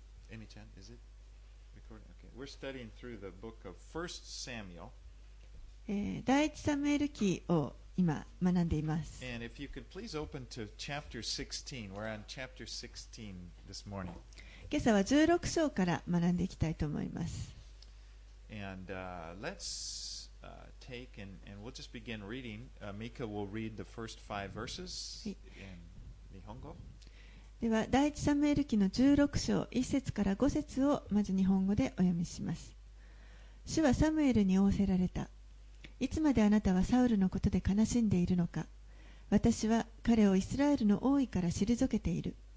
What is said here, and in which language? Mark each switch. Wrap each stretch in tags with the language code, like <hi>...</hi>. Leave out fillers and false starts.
<en>Amy-chan, is it recording? Okay. We're studying through the book of 1 Samuel.</en> <ja>第一サムエル記を今学んでいます。</ja> <en>And if you could please open to chapter 16. We're on chapter 16 this morning.</en> <ja>今朝は十六章から学んでいきたいと思います。</ja> <en>And let's take and we'll just begin reading. Mika will read the first five verses. And</en> <ja>日本語では第一サムエル記の16章1節から5節をまず日本語でお読みします。主はサムエルに仰せられた。いつまであなたはサウルのことで悲しんでいるのか。私は彼をイスラエルの王位から退けている。</ja>